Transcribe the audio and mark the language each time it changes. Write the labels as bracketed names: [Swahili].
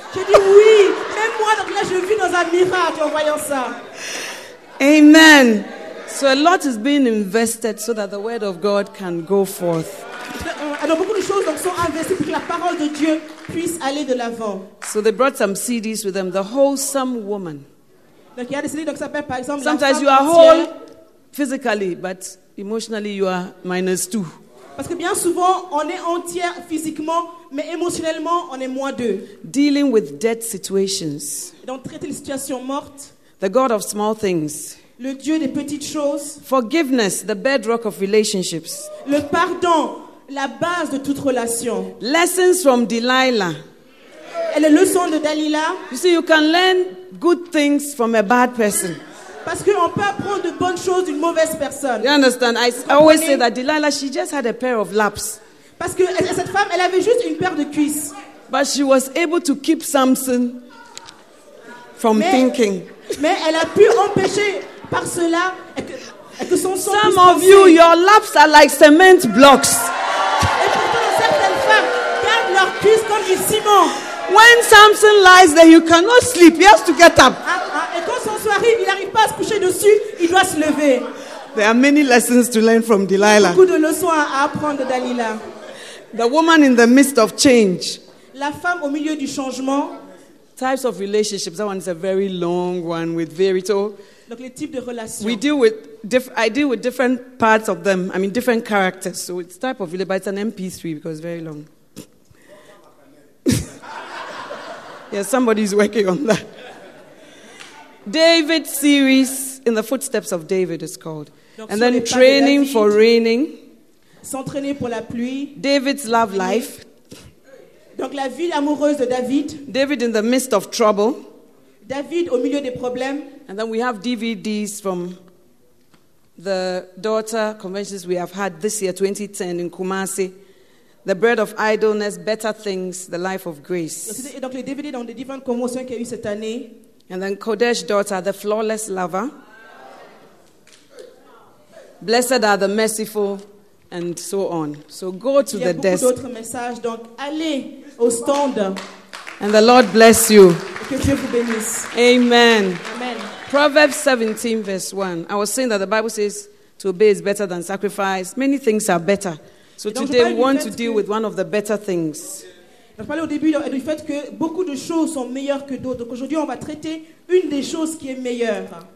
[French] Je dis oui, même moi, donc là, je vis dans un miracle en voyant ça. [English] Amen. So a lot is being invested so that the word of God can go forth. [French] Alors beaucoup de choses donc sont investies pour que la parole de Dieu puisse aller de l'avant. [English] So they brought some CDs with them. The Wholesome Woman. [French] Donc il y a des CDs donc ça s'appelle par exemple. [English] Sometimes you are whole physically, but emotionally you are minus two. [French] Parce que bien souvent on est entière physiquement, mais émotionnellement on est moins deux. [English] Dealing with dead situations. [French] Donc traiter les situations mortes. [English] The God of small things. [French] Le Dieu des petites choses. [English] Forgiveness, the bedrock of relationships. [French] Le pardon, la base de toute relation. [English] Lessons from Delilah. [French] Et les leçons de Dalila. [English] You see, you can learn good things from a bad person. [French] Parce qu'on peut apprendre de bonnes choses d'une mauvaise personne. [English] You understand? I always say that Delilah, she just had a pair of laps. [French] Parce que cette femme, elle avait juste une paire de cuisses. [English] But she was able to keep Samson from thinking. [French] Mais elle a pu empêcher par cela que son sang. [English] Some of you, your laps are like cement blocks. [French] Et pourtant, certaines femmes gardent leurs cuisses comme du ciment. [English] When Samson lies there, you cannot sleep. He has to get up. [French] Et quand Samson arrive, il n'arrive pas à se coucher dessus. Il doit se lever. [English] There are many lessons to learn from Delilah. [French] Il y a beaucoup de leçons à apprendre de Dalila. [English] The woman in the midst of change. [French] La femme au milieu du changement. [English] Types of relationships. That one is a very long one with Verito. [French] Donc les types de relations. [English] We deal with I deal with different parts of them. I mean different characters. So it's type of relationship, but it's an MP3 because it's very long. Yeah, somebody's working on that. David series, In the Footsteps of David is called. [French] Donc, [English] and then Training [French] de [English] for Reigning. [French] S'entraîner pour la pluie. [English] David's Love Life. [French] Donc la vie amoureuse de David. [English] David in the midst of trouble. [French] David au milieu des problèmes. [English] And then we have DVDs from the daughter conventions we have had this year, 2010 in Kumasi. The Bread of Idleness, Better Things, The Life of Grace. [French] Donc les DVD dans les différentes conventions qu'il y a eu cette année. [English] And then Kodesh Daughter, The Flawless Lover. Blessed are the merciful. And so on. So go to the desk. [French] Il y a beaucoup d'autres messages, donc allez au stand. [English] And the Lord bless you. [French] Que Dieu vous bénisse. [English] Amen. Amen. Proverbs 17 verse 1. I was saying that the Bible says to obey is better than sacrifice. Many things are better. So [French] donc, [English] today we want to deal with one of the better things. [French] Je parlais au début du fait que beaucoup de choses sont meilleures que d'autres. Donc aujourd'hui on va traiter une des choses qui est meilleure.